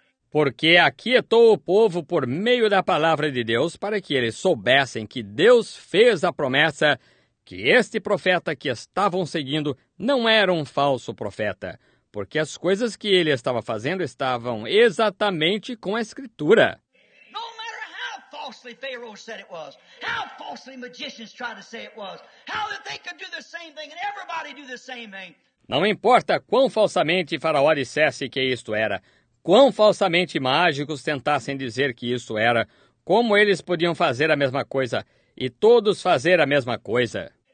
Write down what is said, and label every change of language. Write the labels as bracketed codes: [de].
[pt] Porque aquietou o povo por meio da palavra de Deus para que eles soubessem que Deus fez a promessa que este profeta que estavam seguindo não era um falso profeta, porque as coisas que ele estava fazendo estavam exatamente com a Escritura. [en] No matter how falsely Pharaoh said it was, how falsely magicians tried to say it was, how that they could do the same thing and everybody do the same thing. [pt] Não importa quão falsamente Faraó dissesse que isto era, quão falsamente mágicos tentassem dizer que isto era, como eles podiam fazer a mesma coisa e todos fazer a mesma coisa.